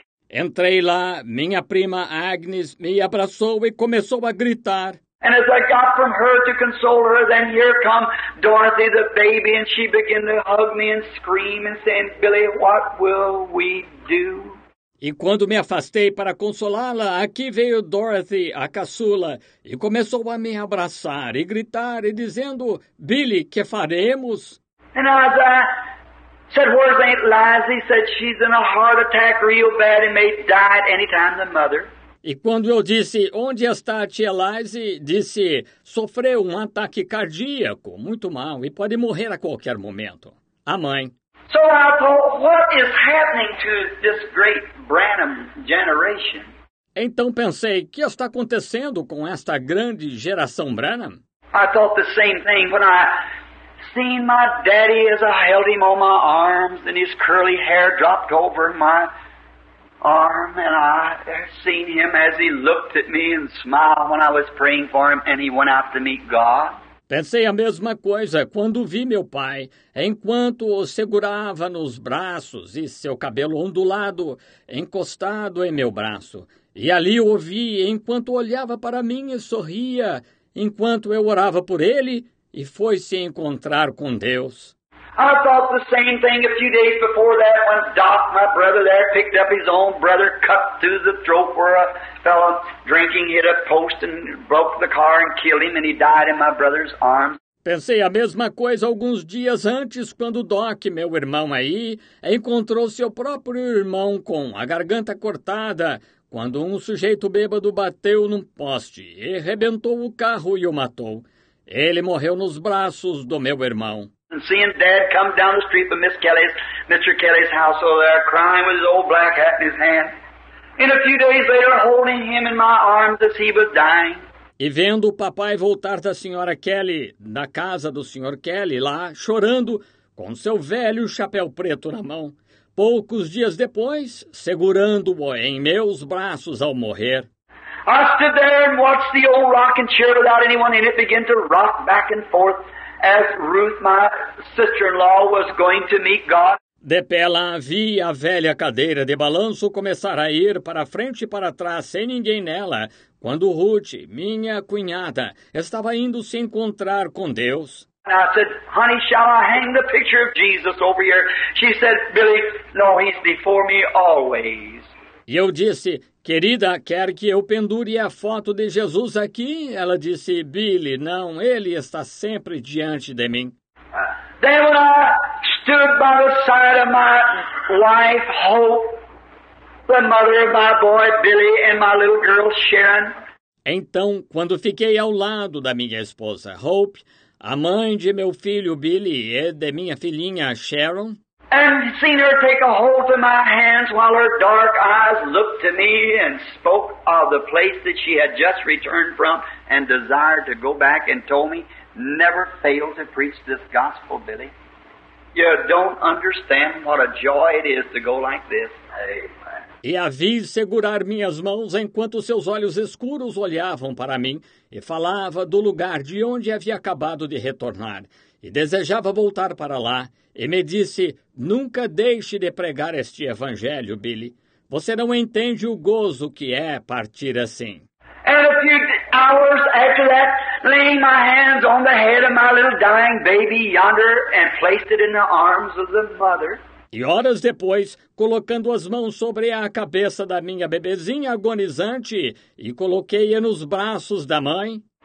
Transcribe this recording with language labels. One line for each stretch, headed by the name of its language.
Portuguese: Entrei lá, minha prima Agnes me abraçou e começou a gritar.
English: And as I got from her to console her, then here come Dorothy, the baby, and she began to hug me and scream and saying, Billy, what will we do?
Portuguese: E quando me afastei para consolá-la, aqui veio Dorothy, a caçula, e começou a me abraçar e gritar e dizendo, Billy, que faremos?
English: And as I said, where's Aunt Liza? He said, she's in a heart attack real bad and may die at any time, the mother.
Portuguese: E quando eu disse, onde está a tia Lise? Disse, sofreu um ataque cardíaco, muito mal, e pode morrer a qualquer momento. A mãe.
English: So I thought, what is happening to this great Branham generation?
Portuguese: Então pensei, o que está acontecendo com esta grande geração Branham?
English: I thought the same thing when I seen my daddy as I held him on my arms and his curly hair dropped over my arm, and I seen him as he looked at me and smiled when I was praying for him, and he went out to meet God.
Portuguese: Pensei a mesma coisa quando vi meu pai, enquanto o segurava nos braços e seu cabelo ondulado encostado em meu braço, e ali o vi enquanto olhava para mim e sorria, enquanto eu orava por ele, e foi se encontrar com Deus.
English: I thought the same thing a few days before that when Doc, my brother there, picked up his own brother, cut through the throat where a fellow drinking hit a post and broke the car and killed him, and he died in my brother's arms.
Portuguese: Pensei a mesma coisa alguns dias antes, quando Doc, meu irmão aí, encontrou seu próprio irmão com a garganta cortada, quando um sujeito bêbado bateu num poste e rebentou o carro e o matou. Ele morreu nos braços do meu irmão.
English: And seeing Dad come down the street from Miss Kelly's, Mr. Kelly's house over there, crying with his old black hat in his hand. In a few days later, holding him in my arms as he was dying.
Portuguese: E vendo o papai voltar da senhora Kelly, na casa do senhor Kelly, lá, chorando, com seu velho chapéu preto na mão. Poucos dias depois, segurando-o em meus braços ao morrer.
English: I stood there and watched the old rocking chair without anyone in it begin to rock back and forth. As Ruth, my sister-in-law, was going to meet God.
Portuguese: De pé lá, vi a velha cadeira de balanço começar a ir para frente e para trás sem ninguém nela, quando Ruth, minha cunhada, estava indo se encontrar com Deus.
English: And I said, honey, shall I hang the picture of Jesus over here? She said, Billy, no, he's before me always.
Portuguese: E eu disse, querida, quer que eu pendure a foto de Jesus aqui? Ela disse, Billy, não, ele está sempre diante de mim.
English: Then when I stood by the side of my wife, Hope, the mother of my boy, Billy, and my little girl, Sharon.
Portuguese: Então, quando fiquei ao lado da minha esposa, Hope, a mãe de meu filho, Billy, e de minha filhinha, Sharon,
English: and seen her take a hold of my hands while her dark eyes looked to me and spoke of the place that she had just returned from and desired to go back and told me, never fail to preach this gospel, Billy. You don't understand what a joy it is to go like this. Amen.
Portuguese: E a vi segurar minhas mãos enquanto seus olhos escuros olhavam para mim e falava do lugar de onde havia acabado de retornar. E desejava voltar para lá, e me disse, nunca deixe de pregar este evangelho, Billy. Você não entende o gozo que é partir assim.
English: And a few hours after that, laying my hands on the head of my little dying baby yonder and placed it in the arms of the mother.
Portuguese: E horas depois, colocando as mãos sobre a cabeça da minha bebezinha agonizante, e coloquei-a nos braços da mãe.